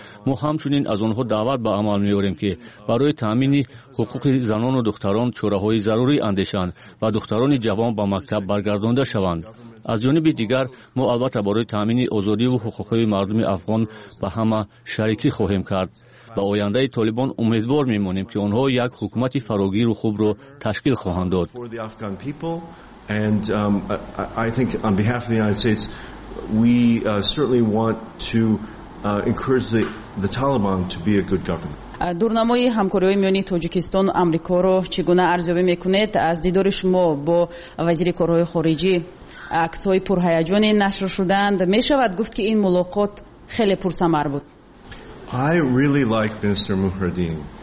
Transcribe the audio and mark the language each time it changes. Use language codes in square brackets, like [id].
[tg] ما همچنین از آنها دعوت به عمل می‌آوریم که برای تامین حقوق زنان و دختران چاره های ضروری اندیشند و دختران جوان به مکتب برگردانده شوند. از جانب دیگر ما البته برای تامین آزادی و حقوق مردم افغان به همه شریکی خواهیم کرد. با آینده طالبان امیدوار میمانیم که آنها یک حکومت فراگیر و خوب را تشکیل خواهند داد. [en] And I think on behalf of the United States, we certainly want to encourage the Taliban to be a good government. [tg] دورنمای همکاری میانی تاجیکستان و آمریکا را چگونه ارزیابی میکنید؟ از دیدار شما با وزیر کارهای خارجی عکس های پرهیجان نشر شدند. میشود گفت که این ملاقات خیلی پرثمر بود. [en] I really like Minister Muhyiddin.